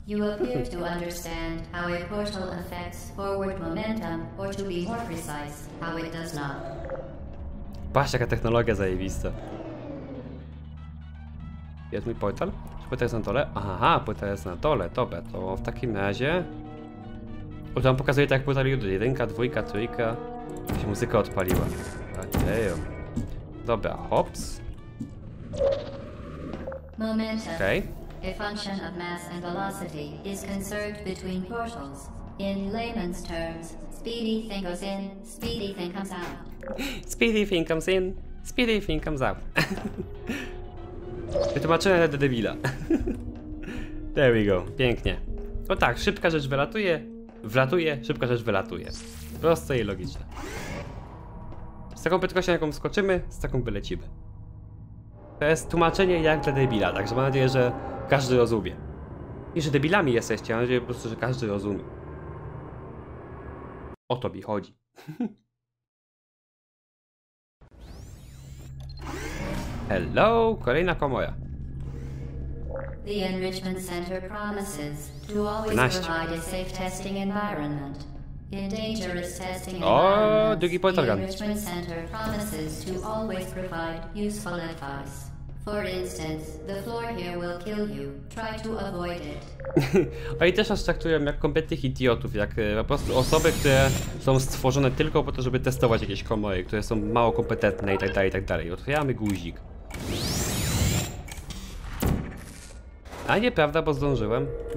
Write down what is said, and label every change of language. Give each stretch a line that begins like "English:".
English: You appear to understand how a portal affects forward momentum, or to be more precise, how it does not.
Polish: Patrz, jaka technologia zajebista. Jest mój portal? Czy portal jest na dole? Aha, portal jest na dole. Dobra, to w takim razie... O, to nam pokazuje tak, jak portal idzie. Jedynka, dwójka, trójka. Jak się muzyka odpaliła. Damn. Dobra, hops.
English: Momentum. Okay. A function of mass and velocity is conserved between portals. In layman's terms, speedy thing goes in, speedy thing comes out. Speedy thing comes in, speedy thing comes out.
Polish: Wytłumaczenie dla debila.
English: There we go,
Polish: pięknie. No tak, szybka rzecz wylatuje, wlatuje, szybka rzecz wylatuje. Proste i logiczne. Z taką prędkością, jaką skoczymy, z taką wylecimy. To jest tłumaczenie jak dla debila, także mam nadzieję, że każdy rozumie. I że debilami jesteście, mam nadzieję po prostu, że każdy rozumie. O to mi chodzi. Hello, kolejna komoja.
English: The Enrichment Center promises to always provide a safe testing environment. In dangerous testing environments, the Enrichment Center promises to always provide useful advice. For instance, the floor here will kill you. Try to avoid it.
Polish: Oni też nas traktują jak kompletnych idiotów, jak po prostu osoby, które są stworzone tylko po to, żeby testować jakieś komory, które są mało kompetentne i tak dalej, i tak dalej. Otwieramy guzik. A nieprawda, bo zdążyłem.